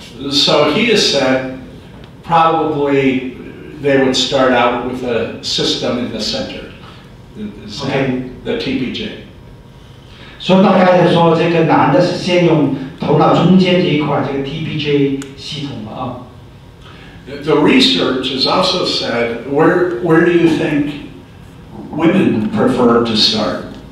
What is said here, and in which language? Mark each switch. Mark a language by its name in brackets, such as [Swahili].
[English] So he has said, probably they would start out with a system in the center, the TPJ. [Chinese] 所以大概说，这个男的是先用头脑中间这一块，这个 TPJ 系统嘛啊。 [English] The research has also said, where do you think women prefer to start?